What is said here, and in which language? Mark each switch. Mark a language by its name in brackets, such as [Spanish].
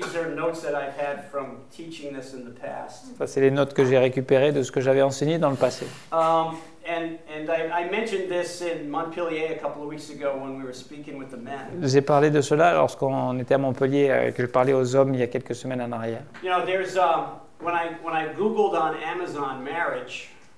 [English] These are notes that I've had from teaching this in the past. [French] Ça, c'est les notes que j'ai récupérées de ce que j'avais enseigné dans le passé. [English] And I mentioned this in Montpellier a couple of weeks ago when we were speaking with the men. [French] J'ai parlé de cela lorsqu'on était à Montpellier et que je parlais aux hommes il y a quelques semaines en arrière. [English] You know, there's when I googled on Amazon marriage.